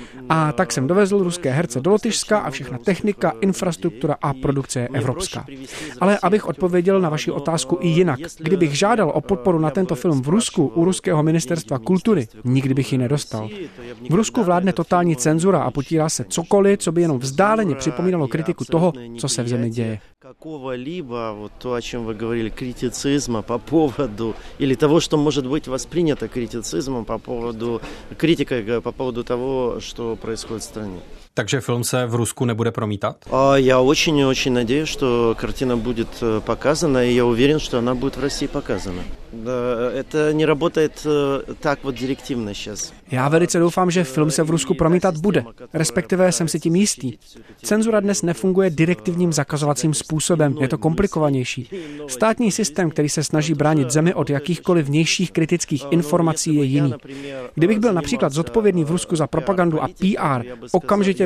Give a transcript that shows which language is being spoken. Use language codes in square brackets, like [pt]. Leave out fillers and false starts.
[cs] A tak jsem dovezl ruské herce do Lotyšska a všechna technika, infrastruktura a produkce je evropská. Ale abych odpověděl na vaši otázku i jinak, kdybych žádal o podporu na tento film v Rusku u ruského ministerstva kultury, nikdy bych ji nedostal. V Rusku vládne totální cenzura a potírá se cokoliv, co by jenom vzdáleně připomínalo kritiku toho, co se v zemi děje. [ru] Какого-либо, вот то, о чем вы говорили, критицизма по поводу, или того, что может быть воспринято критицизмом по поводу, критикой по поводу того, что происходит в стране. [cs] Takže film se v Rusku nebude promítat? [ru] Já очень-очень надеюсь, что картина будет показана, и я уверен, что она будет в России показана. Это не работает так вот директивно сейчас. [cs] Já velice doufám, že film se v Rusku promítat bude, respektive jsem si tím jistý. Cenzura dnes nefunguje direktivním zakazovacím způsobem, je to komplikovanější. Státní systém, který se snaží bránit zemi od jakýchkoliv vnějších kritických informací, je jiný. Kdybych byl například zodpovědný v Rusku za propagandu a PR, okamžitě